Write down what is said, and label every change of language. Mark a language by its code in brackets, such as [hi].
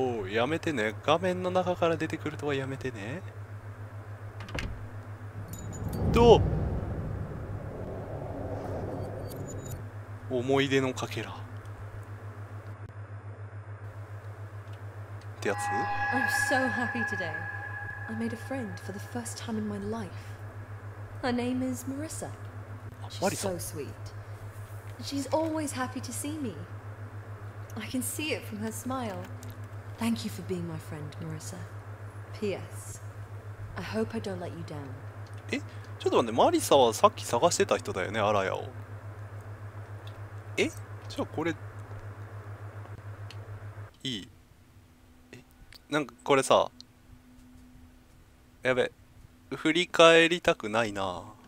[ja] やめてね、画面の中から出てくるとはやめてね。どう、思い出のかけらってやつ。 [en] I'm so happy today. I made a friend for the first time in my life. Her name is Marissa. She's so sweet. She's always happy to see me. I can see it from her smile. Thank you for being my friend, Marissa. P.S. I hope I don't let you down. [ja] え、ちょっと待って、マリサはさっき探してた人だよね、アラヤを。え、じゃあこれいい。え、なんかこれさ、やべ、振り返りたくないな。